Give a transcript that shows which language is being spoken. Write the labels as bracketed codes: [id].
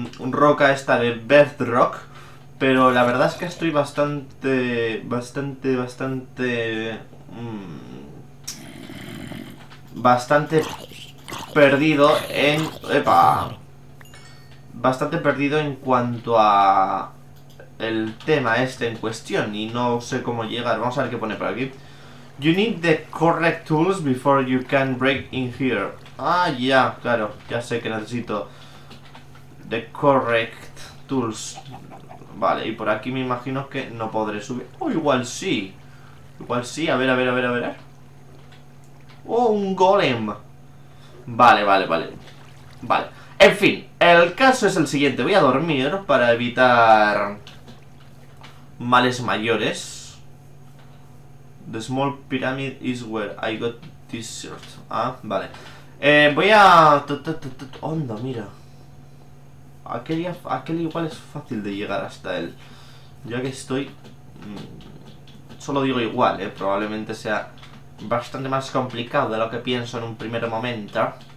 [es] Roca esta de Bedrock, pero la verdad es que estoy bastante perdido en... ¡Epa! Bastante perdido en cuanto a... el tema este en cuestión y no sé cómo llegar. Vamos a ver qué pone por aquí. [en] You need the correct tools before you can break in here. [es] Ah, ya, claro, ya sé que necesito [en] the correct tools. [es] Vale, y por aquí me imagino que no podré subir. O igual sí. Igual sí, a ver. Oh, un golem. Vale. En fin, el caso es el siguiente. Voy a dormir para evitar males mayores. [en] The small pyramid is where I got this shirt. [es] Ah, vale. Voy a... Onda, mira. Aquel igual es fácil de llegar hasta él. Ya que estoy... Solo digo igual, probablemente sea bastante más complicado de lo que pienso en un primer momento.